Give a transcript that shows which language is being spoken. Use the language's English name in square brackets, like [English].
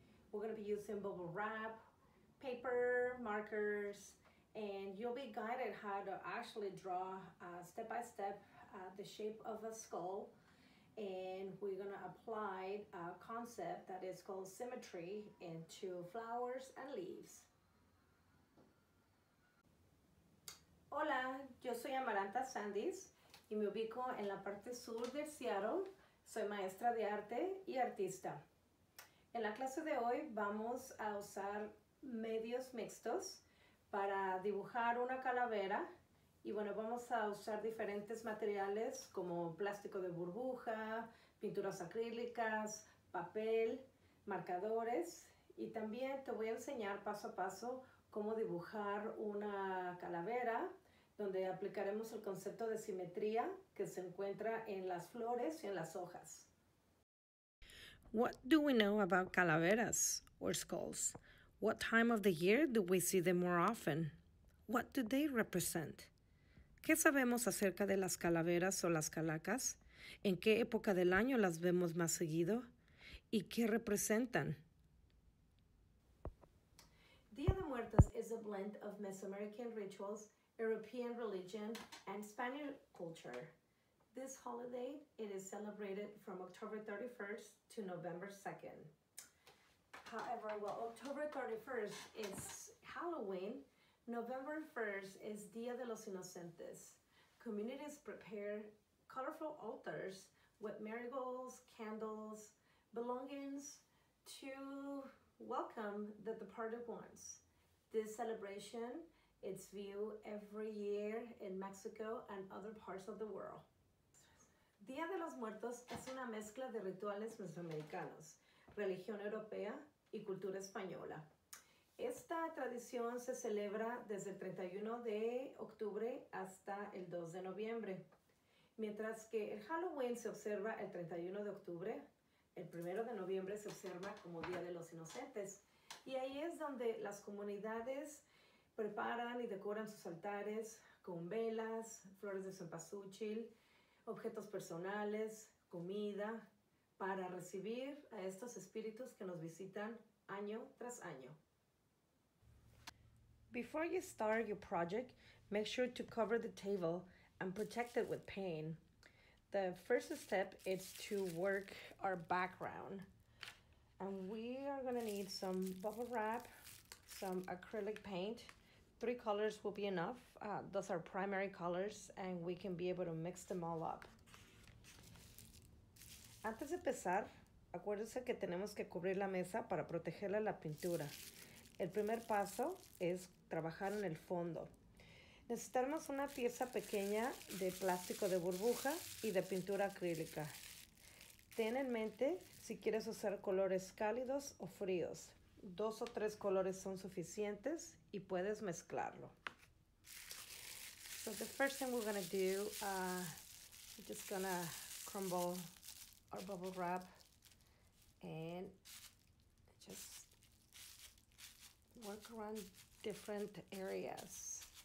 [English] We're gonna be using bubble wrap, paper, markers, and you'll be guided how to actually draw step-by-step the shape of a skull. And we're gonna apply a concept that is called symmetry into flowers and leaves. [Spanish] Hola, yo soy Amaranta Sandys y me ubico en la parte sur de Seattle. Soy maestra de arte y artista. En la clase de hoy vamos a usar medios mixtos para dibujar una calavera. Y bueno, vamos a usar diferentes materiales como plástico de burbuja, pinturas acrílicas, papel, marcadores. Y también te voy a enseñar paso a paso cómo dibujar una calavera, donde aplicaremos el concepto de simetría que se encuentra en las flores y en las hojas. [English] What do we know about calaveras or skulls? What time of the year do we see them more often? What do they represent? [Spanish] ¿Qué sabemos acerca de las calaveras o las calacas? ¿En qué época del año las vemos más seguido? ¿Y qué representan? [English] Día de Muertos is a blend of Mesoamerican rituals, European religion, and Spanish culture. This holiday, it is celebrated from October 31st to November 2nd. However, while October 31st is Halloween, November 1st is Día de los Inocentes. Communities prepare colorful altars with marigolds, candles, belongings to welcome the departed ones. This celebration is viewed every year in Mexico and other parts of the world. [Spanish] Día de los Muertos es una mezcla de rituales mesoamericanos, religión europea y cultura española. Esta tradición se celebra desde el 31 de octubre hasta el 2 de noviembre. Mientras que el Halloween se observa el 31 de octubre, el 1 de noviembre se observa como Día de los Inocentes. Y ahí es donde las comunidades preparan y decoran sus altares con velas, flores de cempasúchil, objetos personales, comida, para recibir a estos espíritus que nos visitan año tras año. [English] Before you start your project, make sure to cover the table and protect it with paint. The first step is to work our background. And we are gonna need some bubble wrap, some acrylic paint. Three colors will be enough. Those are primary colors and we can be able to mix them all up. [Spanish] Antes de empezar, acuérdense que tenemos que cubrir la mesa para protegerla de la pintura. El primer paso es trabajar en el fondo. Necesitamos una pieza pequeña de plástico de burbuja y de pintura acrílica. Ten en mente si quieres usar colores cálidos o fríos. Dos o tres colores son suficientes y puedes mezclarlo. [English] So the first thing we're gonna do, we're just gonna crumble our bubble wrap and just work around different areas.